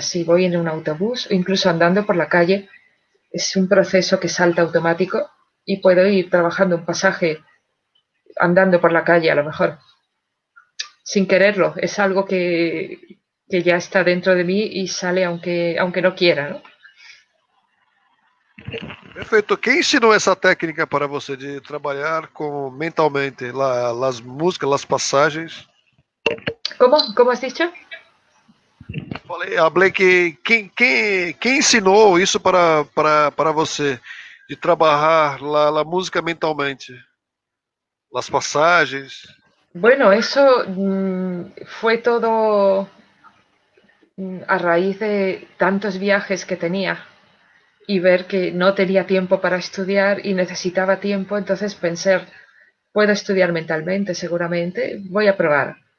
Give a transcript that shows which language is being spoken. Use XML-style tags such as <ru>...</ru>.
<es>Si voy en un autobús o incluso andando por la calle, es un proceso que salta automático y puedo ir trabajando un pasaje andando por la calle a lo mejor sin quererlo. Es algo que ya está dentro de mí y sale aunque no quiera, ¿no?</es> <pt>Perfeito. Quem ensinou essa técnica para você de trabalhar com mentalmente as músicas, as passagens?</pt> <es>¿Cómo has dicho?</es> <pt>Falei que quem ensinou isso para você de trabalhar a música mentalmente, as passagens?</pt> <es>Bueno, eso fue todo a raíz de tantos viajes que tenía y ver que no tenía tiempo para estudiar y necesitaba tiempo, entonces pensé, puedo estudiar mentalmente, seguramente, voy a probar.</es>